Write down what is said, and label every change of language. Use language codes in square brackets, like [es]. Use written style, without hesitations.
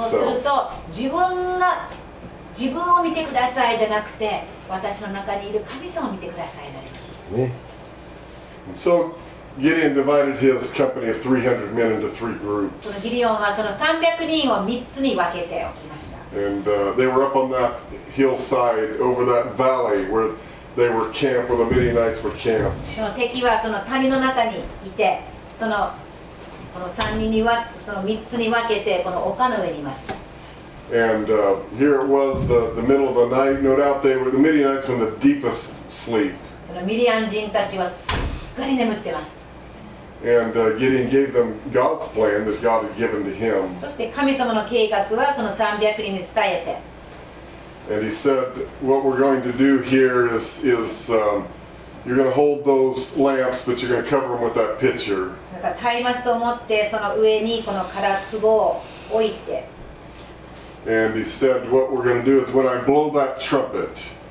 [ja] そうすると自分が自分を見てくださいじゃなくて、私の中にいる神様を見てくださいなります。ね。 [en] So Gideon divided his company of 300 men into three groups. [ja] そのギデオンはその300人を3つに分けておきました。 [en] And they were up on that hillside over that valley where they were camped, where the Midianites were camped. [ja] その敵はその谷の中にいて、そのこの3人には、その3つに分けてこの丘の上にいました。 [en] And here it was the middle of the night. No doubt they were the Midianites were in the deepest sleep. [ja] そのミディアン人たちはすっかり眠ってます。 [en] And Gideon gave them God's plan that God had given to him. [ja] そして神様の計画はその300人に伝えて。 [en] And he said, "What we're going to do here is you're going to hold those lamps, but you're going to cover them with that pitcher." [ja] なんか松明を持ってその上にこの空壺を置いて。 [en] And he said, "What we're going to do is when I blow that trumpet."